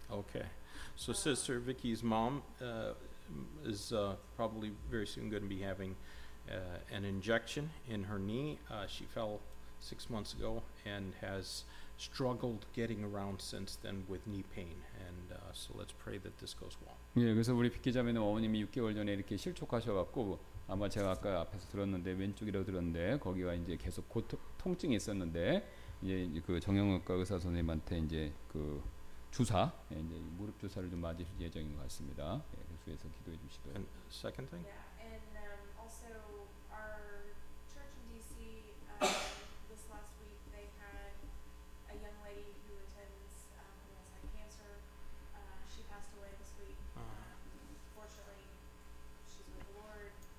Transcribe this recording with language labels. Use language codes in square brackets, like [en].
[en] Okay. So Sister Vicky's mom... is probably very soon going to be having an injection in her knee. She fell 6 months ago and has struggled getting around since then with knee pain. And so let's pray that this goes well. [ko] 예, 그래서 우리 빅키 자매는 어머님이 6개월 전에 이렇게 실촉하셔갖고 아마 제가 아까 앞에서 들었는데 왼쪽이라고 들었는데 거기가 이제 계속 통증이 있었는데 이제 그 정형외과 의사 선생님한테 이제 그 주사 이제 무릎 주사를 좀 맞으실 예정인 것 같습니다. 예, 그래서 기도해 주시고요. [en] And second thing. Yeah, and also our church in DC this last week they had a young lady who attends who has had cancer. She passed away this week. Fortunately, she's with the Lord.